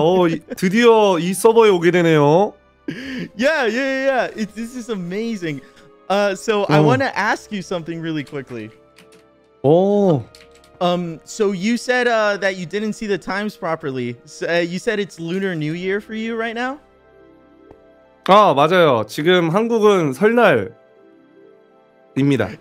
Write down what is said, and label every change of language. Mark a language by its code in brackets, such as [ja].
[ko] 오, 드디어 이 서버에 오게 되네요. [en] Yeah. This is amazing. I want to ask you something really quickly. Oh. So you said that you didn't see the times properly. So, you said it's Lunar New Year for you right now? [ko] 아, 맞아요. 지금 한국은 설날입니다.